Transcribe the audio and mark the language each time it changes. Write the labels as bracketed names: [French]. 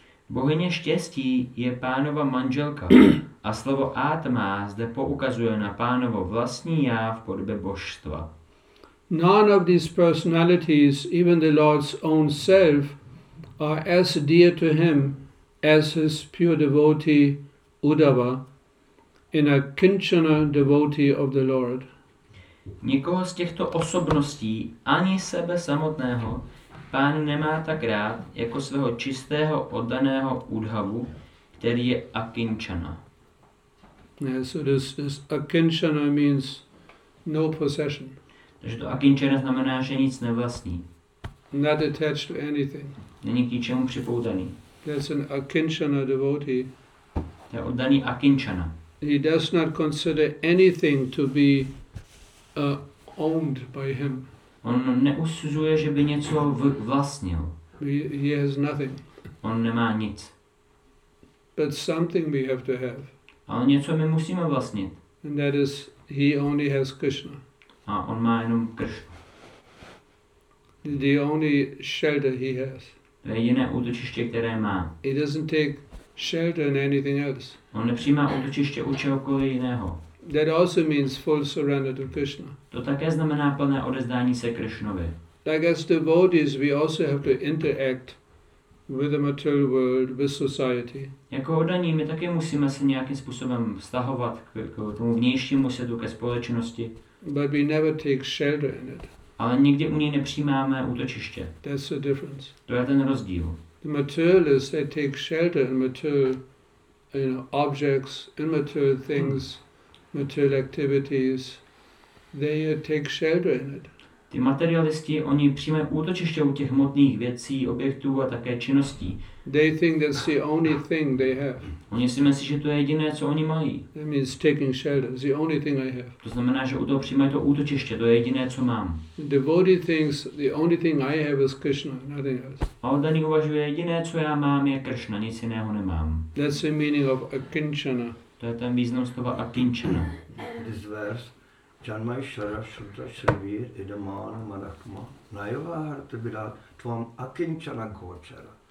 [Czech] Bohyně štěstí je pánova manželka a slovo Atma zde poukazuje na pánovo vlastní já v podobě božstva. [English] None of these personalities, even the Lord's own self, are as dear to him as his pure devotee Uddhava, in a Kinchana devotee of the Lord. [Czech] Nikoho z těchto osobností, ani sebe samotného, pán nemá tak rád jako svého čistého oddaného Udhavu, který je Akinchana. [English] Yeah, so this Akinchana means no possession. [Czech] Takže to Akinchana znamená, že nic nevlastní. [English] Not attached to anything. [Czech] Není k ničemu připoutaný. [English] That's an Akinchana devotee. [Czech] To je oddaný Akinchana. [English] He does not consider anything to be owned by him. [Czech] On neusuzuje, že by něco vlastnil. [English] He has nothing. [Czech] On nemá nic. [English] But something we have to have. [Czech] Ale něco my musíme vlastnit. [English] And that is, he only has Krishna. [Czech] A on má jenom Krishna. [English] The only shelter he has. [Czech] To je jediné útočiště, které má. [English] He doesn't take shelter in anything else. [Czech] On nepřijímá útočiště u čehokoliv jiného. [English] That also means full surrender to Krishna. [Czech] To také znamená plné odezdání se Krishnovi. [English] Like as devotees, we also have to interact with the material world, with society. [Czech] Jako oddaní, my také musíme se nějakým způsobem vztahovat k tomu vnějšímu světu, ke společnosti. [English] But we never take shelter in it. [Czech] Ale nikdy u něj nepřijímáme útočiště. [English] That's the difference. [Czech] To je ten rozdíl. [English] The materialists, they take shelter in material, you know, objects, immaterial things, material activities. They take shelter in it. [Czech] Ty materialisti, oni přijmou útočiště u těch hmotných věcí, objektů a také činností. [English] They think that's the only thing they have. [Czech] Oni si myslí, že to je jediné, co oni mají. [English] That means taking shelter. It's the only thing I have. [Czech] To znamená, že u toho přijmou to útočiště, to je jediné, co mám. [English] The devotee thinks the only thing I have is Krishna, nothing else. [Czech] A oddaný uvažuje, jediné, co já mám, je Krishna, nic jiného nemám. [English] That's the meaning of Akinchana. [Czech] To je ten význam slova Akinchana. [Sanskrit] This verse. Janmai Shara Shrutra Shrivir Idamana Marakma Nayavaharta Bira Tvam Akinchana Gochara.